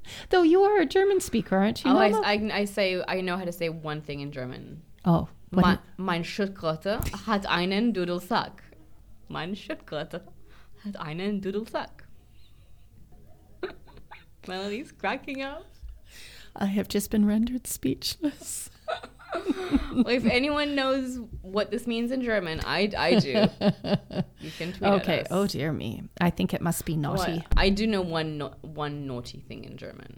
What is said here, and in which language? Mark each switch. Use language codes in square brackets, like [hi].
[en] Though you are a German speaker, aren't you? Oh, I know how to say one thing in German. Oh. [de] Mein Schuttgrotter hat einen Dudelsack. Mein Schuttgrotter hat einen Dudelsack. [en] Melanie's cracking up. I have just been rendered speechless. Well, if anyone knows what this means in German, I do. You can tweet at us. Okay, oh dear me. I think it must be naughty. Well, I do know one naughty thing in German.